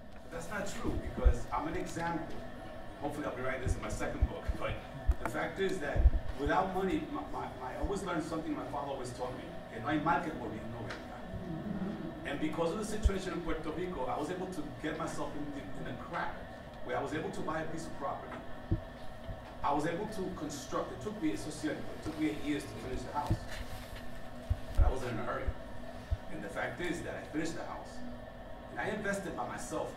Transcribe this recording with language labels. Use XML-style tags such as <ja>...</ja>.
<en>But that's not true, because I'm an example. Hopefully I'll be writing this in my second book. But the fact is that without money, I always learned something my father always taught me.</en> <es>Que no hay mal que por bien no venga.</es> <en>And because of the situation in Puerto Rico, I was able to get myself in a crack where I was able to buy a piece of property. I was able to construct, it took me 8 years to finish the house. But I wasn't in a hurry. And the fact is that I finished the house. And I invested by myself.</en>